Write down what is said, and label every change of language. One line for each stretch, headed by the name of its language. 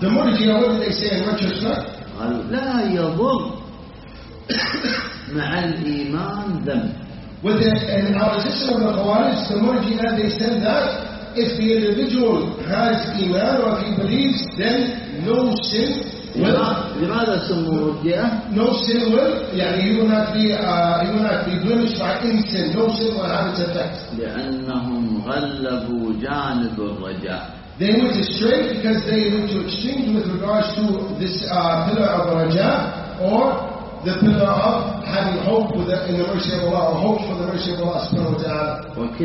English: The Murji'ah, what did they say in retrospect?
Arabic: قالوا لا يضر مع الإيمان ذنب.
English: With an opposition of the Khawarij, the Murji'ah, they said that if the individual has iman or if he believes, then no sin will.
Arabic: لماذا سموا مرجئة؟
English: No sin will.
Arabic: يعني
English: he will not be blemished by any sin. No sin will have its effect.
Arabic: لأنهم غلبوا جانب الرجاء.
English: They went astray because they went to extremes with regards to this pillar of Raja or the pillar of having hope with in the mercy of Allah or hope for the mercy of Allah subhanahu wa ta'ala.